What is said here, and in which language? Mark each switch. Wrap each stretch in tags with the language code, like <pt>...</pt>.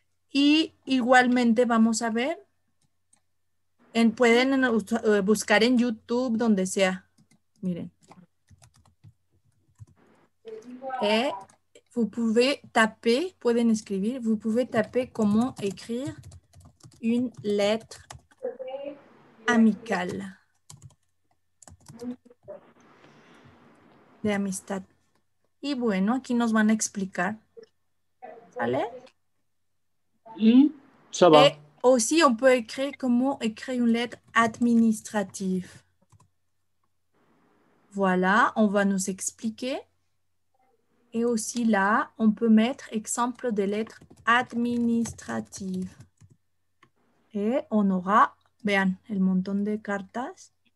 <es>Y igualmente vamos a ver, pueden buscar en YouTube, donde sea. Miren.</es> <fr>Vous pouvez taper,</fr> <es>pueden escribir,</es> <fr>vous pouvez taper comment écrire une lettre amical.</fr> <es>De amistad. Y bueno, aquí nos van a explicar. ¿Sale?</es> <fr>Ça va. Et aussi, on peut écrire comment écrire une lettre administrative. Voilà, on va nous expliquer. Et aussi là, on peut mettre exemple de lettres administratives. Et on aura...</fr> <es>Vean, el montón de cartas.</es>